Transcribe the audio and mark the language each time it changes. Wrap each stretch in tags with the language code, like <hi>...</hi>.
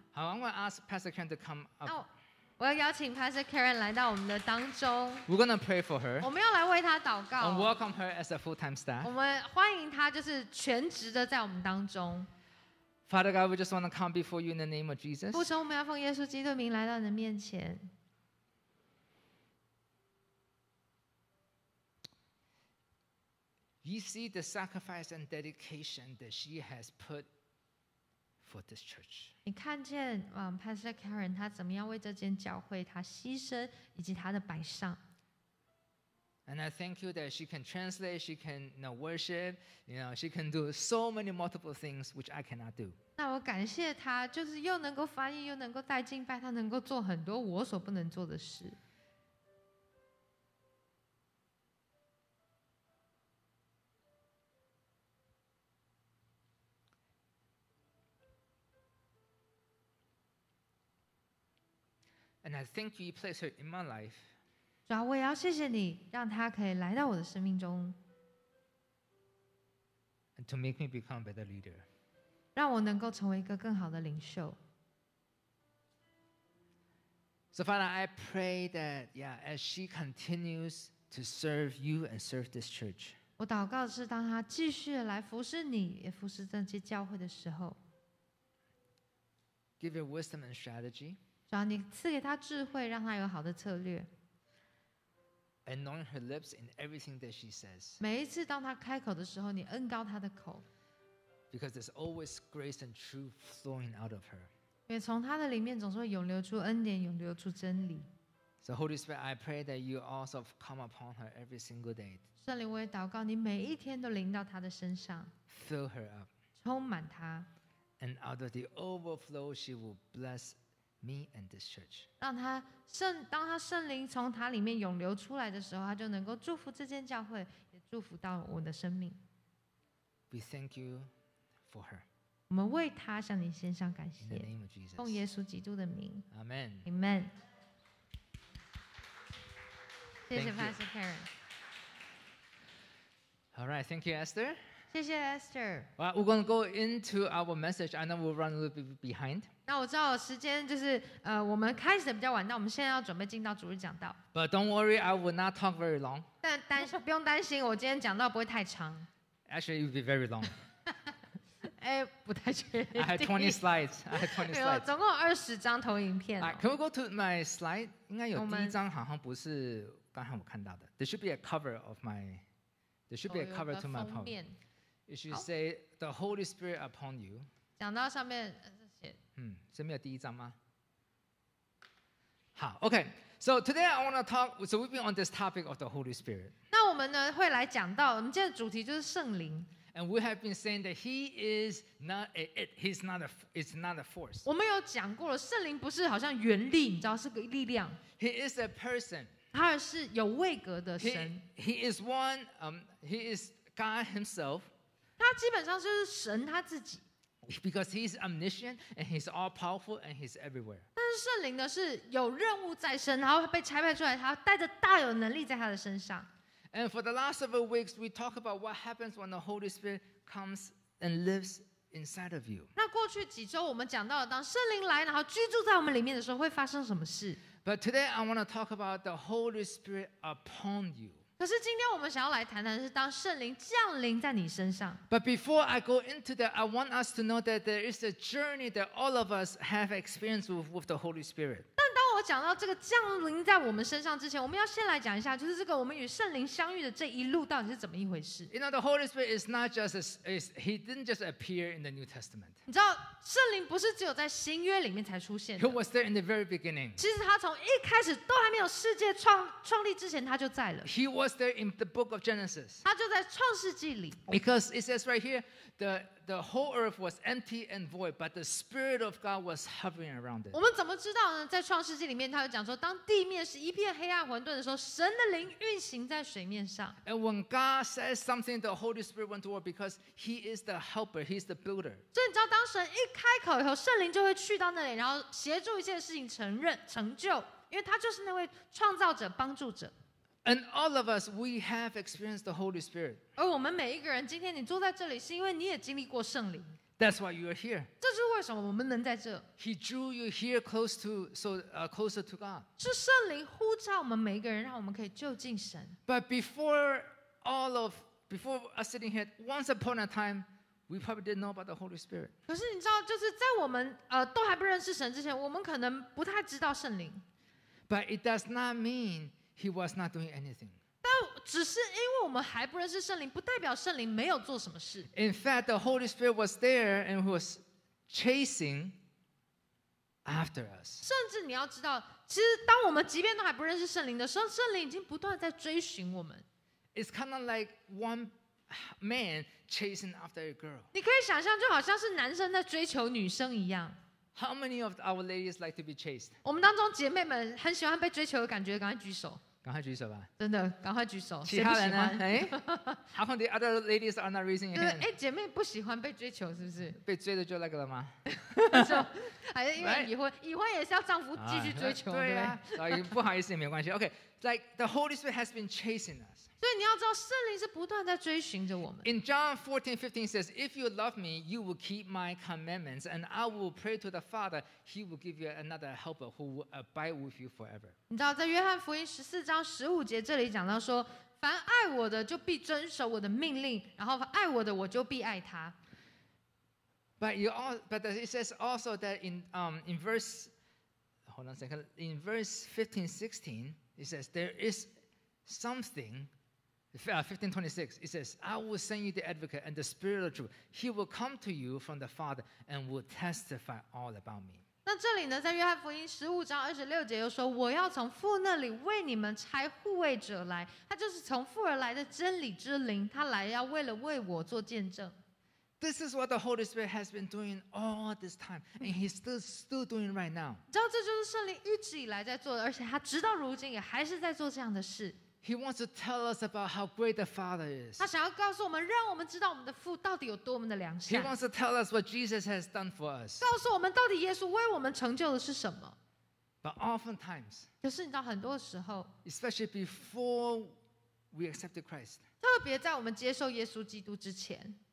<en>好， I'm going to ask Pastor Karen to come up.</en> <zh>我要邀请 Pastor Karen 来到我们的当中。</zh> <en>We're going to pray for her.</en> <zh>我们要来为她祷告。</zh> <en>And welcome her as a full-time staff.</en> <zh>我们欢迎她就是全职的在我们当中。</zh> <en>Father God, we just want to come before you in the name of Jesus.</en> <zh>父神，我们要奉耶稣基督的名来到你的面前。</zh> <en>You see the sacrifice and dedication that she has put for this church.</en> <zh>你看见Pastor Karen 她怎么样为这间教会她牺牲以及她的摆上。</zh> <en>And I thank you that she can translate, she can you know, worship, you know, she can do so many multiple things which I cannot do.</en> <zh>那我感谢她，就是又能够翻译，又能够带敬拜，她能够做很多我所不能做的事。</zh> <en>And I thank you, you place her in my life.</en> <zh>主啊，我也要谢谢你，让她可以来到我的生命中。</zh> <en>And to make me become a better leader.</en> <zh>让我能够成为一个更好的领袖。</zh> <en>So Father, I pray that, yeah, as she continues to serve you and serve this church.</en> <zh>我祷告的是，当她继续来服侍你，也服侍这些教会的时候。</zh> <en>Give your wisdom and strategy.</en> <zh>主啊，你赐给他智慧，让他有好的策略。</zh> <en>Anoint her lips in everything that she says.</en> <zh>每一次当他开口的时候，你恩膏他的口。</zh> <en>Because there's always grace and truth flowing out of her.</en> <zh>因为从他的里面总是会涌流出恩典，涌流出真理。</zh> <en>So Holy Spirit, I pray that you also come upon her every single day.</en> <zh>圣灵，我也祷告你每一天都临到他的身上。</zh> <en>Fill her up.</en> <zh>充满他。</zh> <en>And out of the overflow, she will bless. Me and this church.</en> <zh>当他圣灵从他里面涌流出来的时候，他就能够祝福这间教会，也祝福到我的生命。</zh> <en>We thank you for her.</en> <zh>我们为他向你献上感谢。</zh> <en>In the name of Jesus.</en> <zh>奉耶稣基督的名。</zh> <en>Amen. Amen.</en> <zh>谢谢 Pastor Karen.</zh> <en>All right. Thank you, Esther.</en> <zh>谢谢 Esther.</zh> <en>Well, we're going to go into our message. I know we'll run a little bit behind.</en> <zh>那我知道时间就是我们开始的比较晚，那我们现在要准备进到主日讲道。</zh> <en>But don't worry, I will not talk very long.</en> <zh>但不用担心，我今天讲道不会太长。</zh> <en>Actually, it will be very long.</en> <zh>哎，不太确定。</zh> <en>I have 20 slides.</en> <zh>总共20张投影片。</zh> <en>Can we go to my slide?</en> <zh>应该有第一张好像不是刚才我看到的。</zh> <en>There should be a cover of my. There should be a cover to my phone. It should say the Holy Spirit upon you.</en> <zh>讲到上面。嗯，是没有第一章吗？</zh> <en>好 ，OK。So today I want to talk. So we've been on this topic of the Holy Spirit.</en> <zh>那我们呢会来讲到，我们今天的主题就是圣灵。</zh> <en>And we have been saying that He is not a it. He's not a. It's not a force.</en> <zh>我们有讲过了，圣灵不是好像原力，你知道是个力量。</zh> <en>He is a person.</en> <zh>他是有位格的神。</zh> <en>He is one. He is God Himself.</en> <zh>他基本上就是神他自己。</zh> <en>Because he's omniscient and he's all powerful and he's everywhere.</en> <zh>但是圣灵呢是有任务在身，然后被差派出来，他带着大有能力在他的身上。</zh> <en>And for the last several weeks, we talk about what happens when the Holy Spirit comes and lives inside of you.</en> <zh>那过去几周我们讲到了，当圣灵来，然后居住在我们里面的时候，会发生什么事</zh> <en>？But today I want to talk about the Holy Spirit upon you.</en> <zh>可是今天我们想要来谈谈的是当圣灵降临在你身上。</zh> <en>But before I go into that, I want us to know that there is a journey that all of us have experienced with the Holy Spirit.</en> <zh>但当我讲到这个降临在我们身上之前，我们要先来讲一下，就是这个我们与圣灵相遇的这一路到底是怎么一回事。</zh> <en>You know, the Holy Spirit is not just he didn't just appear in the New Testament.</en> <zh>你知道圣灵不是只有在新约里面才出现的。</zh> <en>He was there in the very beginning.</en> <zh>其实他从一开始都还没有世界创立之前，他就在了。</zh> <en>He was there in the book of Genesis.</en> <zh>他就在创世纪里。</zh> <en>Because it says right here, the whole earth was empty and void, but the Spirit of God was hovering around it.</en> <zh>我们怎么知道呢？在创世纪里面，他就讲说，当地面是一片黑暗混沌的时候，神的灵运行在水面上。</zh> <en>And when God says something, the Holy Spirit went to work because He is the helper, He is the builder.</en> <zh>所以你知道，当神一开口以后，圣灵就会去到那里，然后协助一切事情成就，因为他就是那位创造者、帮助者。</zh> <en>And all of us, we have experienced the Holy Spirit.</en> <zh>而我们每一个人，今天你坐在这里，是因为你也经历过圣灵。</zh> <en>That's why you are here.</en> <zh>这是为什么我们能在这。</zh> <en>He drew you here close to, so, closer to God.</en> <zh>是圣灵呼召我们每一个人，让我们可以就近神。</zh> <en>But before all of, before us sitting here, once upon a time, we probably didn't know about the Holy Spirit.</en> <zh>可是你知道，就是在我们都还不认识神之前，我们可能不太知道圣灵。</zh> <en>But it does not mean. He was not doing anything.</en> <zh>但只是因为我们还不认识圣灵，不代表圣灵没有做什么事。</zh> <en>In fact, the Holy Spirit was there and was chasing after us.</en> <zh>甚至你要知道，其实当我们即便都还不认识圣灵的时候，圣灵已经不断在追寻我们。</zh> <en>It's kind of like one man chasing after a girl.</en> <zh>你可以想象，就好像是男生在追求女生一样。</zh> <en>How many of our ladies like to be chased?</en> <zh>我们当中姐妹们很喜欢被追求的感觉，赶快举手。赶快举手吧。真的，赶快举手。其他人呢？</zh> <en>How come the other ladies are not raising hands?</en> <zh>对，姐妹不喜欢被追求，是不是？被追的就那个了吗？就还是因为已婚，已婚也是要丈夫继续追求，对不对？所以不好意思也没关系。</zh> <en>OK, like the Holy Spirit has been chasing us.</en> <zh>所以你要知道，圣灵是不断在追寻着我们。</zh> <en>In John 14:15 says, "If you love me, you will keep my commandments, and I will pray to the Father. He will give you another Helper who will abide with you forever."</en> <zh>你知道，在约翰福音14:15这里讲到说，凡爱我的就必遵守我的命令，然后爱我的我就必爱他。</zh> <en>But you all, but it says also that in verse, hold on a second, in verse 15:16, it says there is something. 15:26, it says, I will send you the advocate and the spirit of truth. He will come to you from the Father and will testify all about me.</en> <zh>那这里呢，在约翰福音15:26又说，我要从父那里为你们差护卫者来，他就是从父而来的真理之灵，他来要为了为我做见证。</zh> <en>This is what the Holy Spirit has been doing all this time, and He's still doing right now.</en> <zh>你知道，这就是圣灵一直以来在做的，而且他直到如今也还是在做这样的事。</zh> <en>He wants to tell us about how great the Father is.</en> <zh>他想要告诉我们，让我们知道我们的父到底有多么的良善。</zh> <en>He wants to tell us what Jesus has done for us.</en> <zh>告诉我们到底耶稣为我们成就的是什么。</zh> <en>But oftentimes,</en> <zh>可是你知道很多时候</zh> <en>especially before we accepted Christ,</en> <zh>特别在我们接受耶稣基督之前</zh>